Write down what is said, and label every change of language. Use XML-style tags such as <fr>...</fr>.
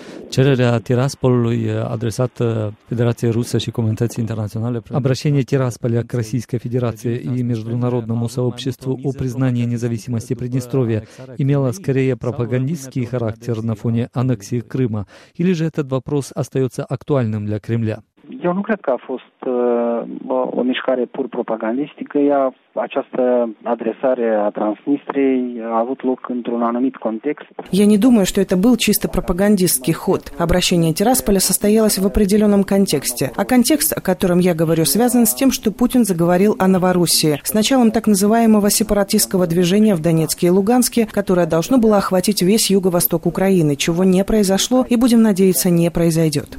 <ro>Cererea Tiraspolului adresată Federației Ruse și Comunității Internaționale.</ro> <ru>Обращение Тирасполя к Российской Федерации и международному сообществу о признании независимости Приднестровья имело скорее пропагандистский характер на фоне аннексии Крыма, или же этот вопрос остается актуальным для Кремля?</ru> <ro>Eu nu cred că a fost o mișcare pur propagandistică. Această adresare a Transnistriei a avut loc într-un anumit context.</ro> <ru>Я не думаю, что это был чисто пропагандистский ход. Обращение Тирасполя состоялось в определенном контексте. А контекст, о котором я говорю, связан с тем, что Путин заговорил о Новороссии с началом так называемого сепаратистского движения в Донецке и Луганске, которое должно было охватить весь юго-восток Украины, чего не произошло и, будем надеяться, не произойдет.</ru>